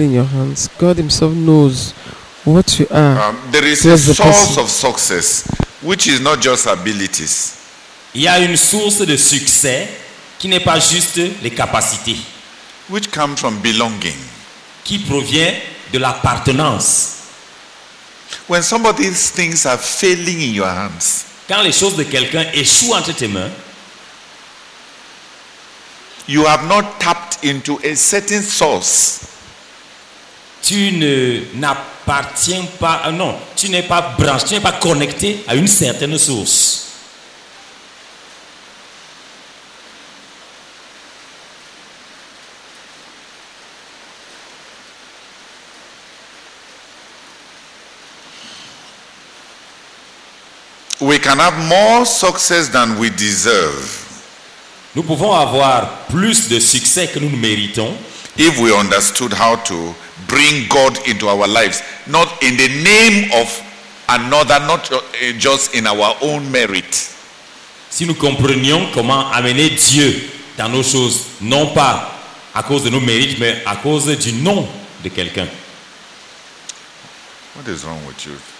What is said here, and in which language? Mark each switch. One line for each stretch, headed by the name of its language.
English: In your hands, God Himself knows what you are. There is a source person. Of success, which is not just abilities.
French: Il y a une source de succès qui n'est pas juste les capacités.
English: Which comes from belonging.
French: Qui provient de l'appartenance.
English: When somebody's things are failing in your hands.
French: Quand les choses de quelqu'un échouent entre tes mains.
English: You have not tapped into a certain source.
French: Tu ne n'appartiens pas. Non, tu n'es pas branché. Tu n'es pas connecté à une certaine source.
English: We can have more success than we deserve.
French: Nous pouvons avoir plus de succès que nous méritons.
English: If we understood how to bring God into our lives, not in the name of another, not just in our own merit.
French: Si nous comprenions comment amener Dieu dans nos choses, non pas à cause de nos mérites, mais à cause du nom de quelqu'un.
English: What is wrong with you?